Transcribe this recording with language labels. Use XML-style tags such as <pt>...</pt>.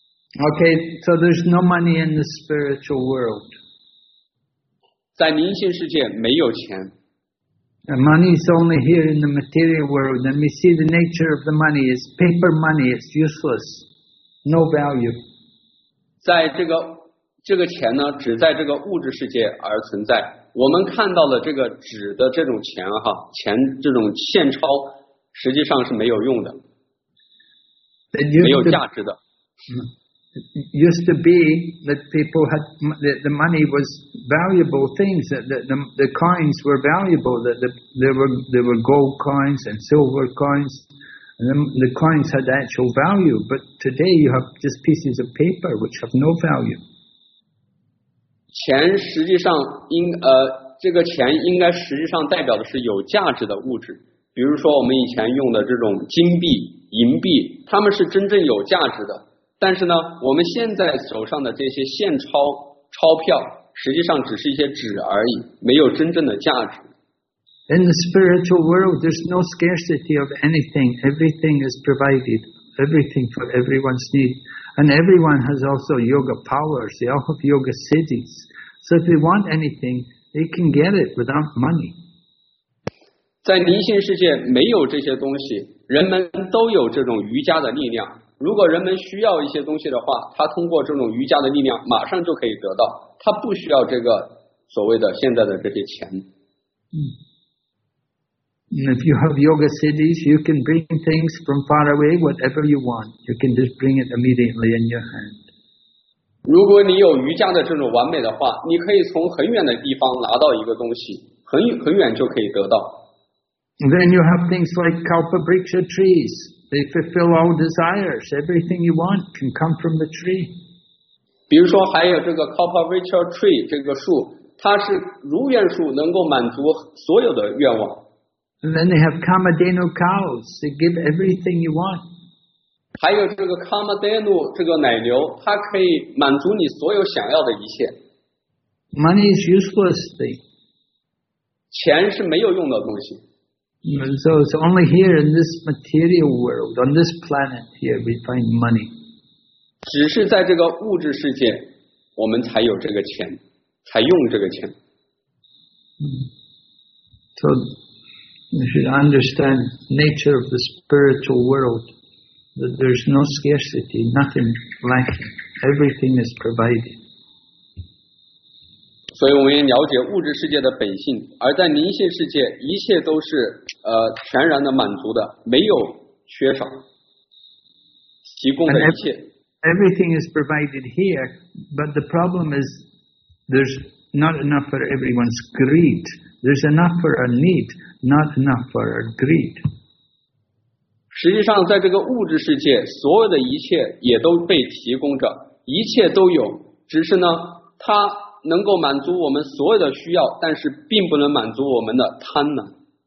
<en>Okay, so there's no money in the spiritual world.</en> <zh>在灵性世界没有钱。</zh> <en>The money is only here in the material world. And we see the nature of the money is paper money. It's useless, no value.</en> <zh>在这个钱呢，只在这个物质世界而存在。我们看到了这个纸的这种钱哈，钱这种现钞实际上是没有用的，没有价值的。</zh> <en>It used to be that people had that the money was valuable things, that the coins were valuable, that there were gold coins and silver coins, and the coins had actual value. But today you have just pieces of paper which have no value.</en> <zh>钱实际上应这个钱应该实际上代表的是有价值的物质，比如说我们以前用的这种金币、银币，它们是真正有价值的。但是呢，我们现在手上的这些现钞钞票，实际上只是一些纸而已，没有真正的价值。</zh> <en>In the spiritual world, there's no scarcity of anything. Everything is provided, everything for everyone's need, and everyone has also yoga powers. They all have yoga siddhis. So if they want anything, they can get it without money.</en> <zh>在灵性世界没有这些东西，人们都有这种瑜伽的力量。如果人们需要一些东西的话，他通过这种瑜伽的力量马上就可以得到，他不需要这个所谓的现在的这些钱。</zh> <en>If you have yoga siddhis, you can bring things from far away, whatever you want. You can just bring it immediately in your hand.</en> <zh>如果你有瑜伽的这种完美的话，你可以从很远的地方拿到一个东西，很远就可以得到。</zh> <en>Then you have things like kalpa briksha trees. They fulfill all desires. Everything you want can come from the tree.</en> <zh>比如说还有这个 kalpa briksha tree 这个树，它是如愿树，能够满足所有的愿望。</zh> <en>And then they have kamadhenu cows. They give everything you want.</en> <zh>还有这个 kamadhenu 这个奶牛，它可以满足你所有想要的一切。</zh> <en>Money is useless thing.</en> <zh>钱是没有用的东西。</zh> <en>And so it's only here in this material world, on this planet here, we find money.</en> <zh>只是在这个物质世界，我们才有这个钱，才用这个钱。</zh> <en>So you should understand nature of the spiritual world, that there's no scarcity, nothing lacking, everything is provided.</en> <zh>所以我们也了解物质世界的本性，而在灵性世界，一切都是全然的满足的，没有缺少，提供的一切。</zh> <en>Everything is provided here, but the problem is there's not enough for everyone's greed. There's enough for our need, not enough for our greed.</en> <zh>实际上，在这个物质世界，所有的一切也都被提供着，一切都有，只是呢，它能够满足我们所有的需要，但是并不能满足我们的贪婪。</zh>